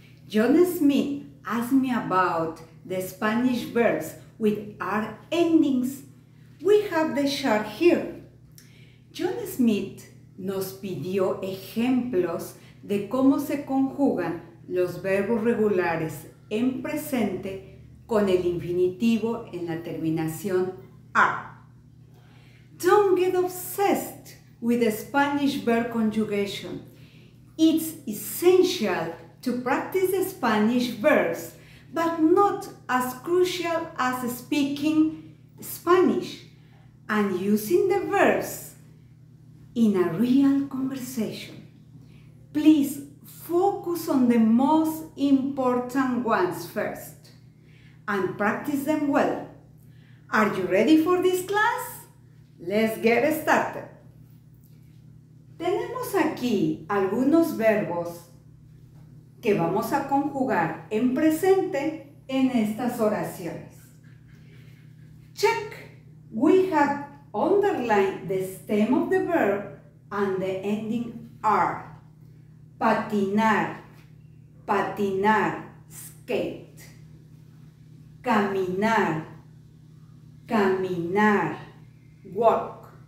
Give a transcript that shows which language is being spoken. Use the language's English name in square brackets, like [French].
[English] John Smith asked me about the Spanish verbs with R endings. We have the chart here. [Spanish] John Smith nos pidió ejemplos de cómo se conjugan los verbos regulares en presente con el infinitivo en la terminación R. [English] Don't get obsessed with the Spanish verb conjugation. It's essential to practice Spanish verbs, but not as crucial as speaking Spanish and using the verbs in a real conversation. Please focus on the most important ones first and practice them well. Are you ready for this class? Let's get started. [Spanish] Tenemos aquí algunos verbos que vamos a conjugar en presente en estas oraciones. [English] Check, we have underlined the stem of the verb and the ending R. [Spanish] Patinar, patinar, skate. Caminar, caminar, walk.